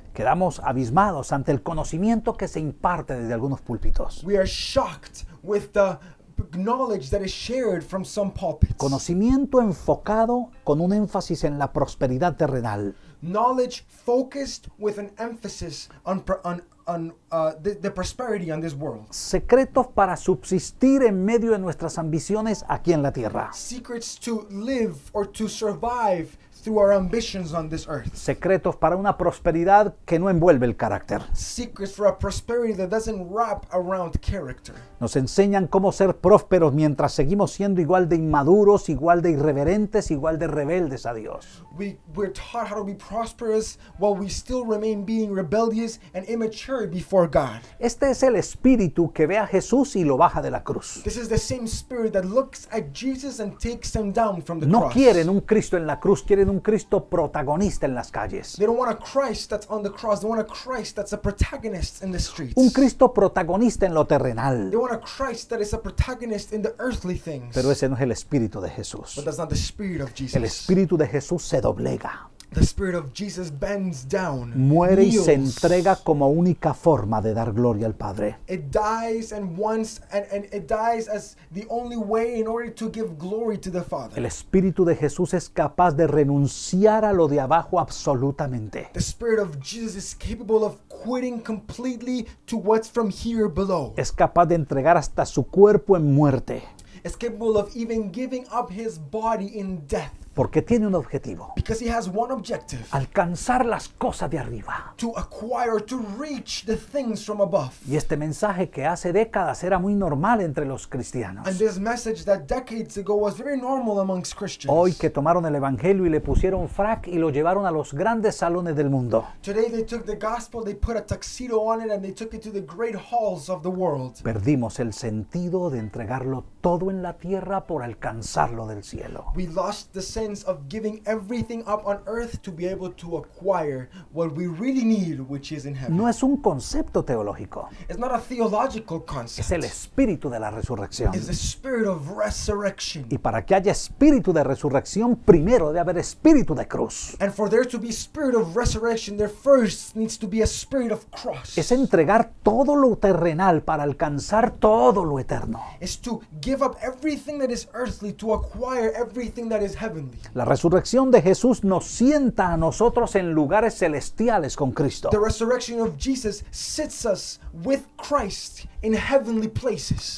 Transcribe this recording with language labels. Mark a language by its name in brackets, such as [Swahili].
[Spanish] Quedamos abismados ante el conocimiento que se imparte desde algunos púlpitos. [English] We are shocked with the knowledge that is shared from some pulpits. [Spanish] Conocimiento enfocado con un énfasis en la prosperidad terrenal. [English] Knowledge focused with an emphasis on the prosperity on this world. [Spanish] Secretos para subsistir en medio de nuestras ambiciones aquí en la tierra. [English] Secrets to live or to survive through our ambitions on this earth. [Spanish] Secretos para una prosperidad que no envuelve el carácter. [English] Secrets for a prosperity that doesn't wrap around character. [Spanish] Nos enseñan cómo ser prósperos mientras seguimos siendo igual de inmaduros, igual de irreverentes, igual de rebeldes a Dios. [English] We're taught how to be prosperous while we still remain being rebellious and immature before God. [Spanish] Este es el espíritu que ve a Jesús y lo baja de la cruz. [English] This is the same spirit that looks at Jesus and takes him down from the [Spanish] no [English] cross. [Spanish] No quieren un Cristo en la cruz, quieren un Cristo protagonista en las calles. [English] They don't want a Christ that's on the cross, they want a Christ that's a protagonist in the streets. [Spanish] Un Cristo protagonista en lo terrenal. [English] They want a Christ that is a protagonist in the earthly things. [Spanish] Pero ese no es el espíritu de Jesús. [English] But that's not the spirit of Jesus. [Spanish] El espíritu de Jesús se doblega. [English] The spirit of Jesus bends down. [Spanish] Muere y se entrega como única forma de dar gloria al Padre. [English] It dies and once and it dies as the only way in order to give glory to the Father. [Spanish] El espíritu de Jesús es capaz de renunciar a lo de abajo absolutamente. [English] The spirit of Jesus is capable of quitting completely to what's from here below. [Spanish] Es capaz de entregar hasta su cuerpo en muerte. [English] Is capable of even giving up his body in death. [Spanish] Porque tiene un objetivo. [English] Because he has one objective. [Spanish] Alcanzar las cosas de arriba. [English] To acquire, to reach the things from above. [Spanish] Y este mensaje que hace décadas era muy normal entre los cristianos. [English] And this message that decades ago was very normal amongst Christians. [Spanish] Hoy que tomaron el evangelio y le pusieron frac y lo llevaron a los grandes salones del mundo. [English] Today they took the gospel, they put a tuxedo on it and they took it to the great halls of the world. [Spanish] Perdimos el sentido de entregarlo todo en la tierra por alcanzarlo del cielo. [English] We lost the sense of giving everything up on earth to be able to acquire what we really need, which is in heaven. [Spanish] No es un concepto teológico. [English] It's not a theological concept. [Spanish] Es el espíritu de la resurrección. [English] It's the spirit of resurrection. [Spanish] Y para que haya espíritu de resurrección, primero debe haber espíritu de cruz. [English] And for there to be spirit of resurrection, there first needs to be a spirit of cross. [Spanish] Es entregar todo lo terrenal para alcanzar todo lo eterno. [English] It's to give up everything that is earthly to acquire everything that is heavenly. [Spanish] La resurrección de Jesús nos sienta a nosotros en lugares celestiales con Cristo. [English] The resurrection of Jesus sits us with Christ in heavenly places.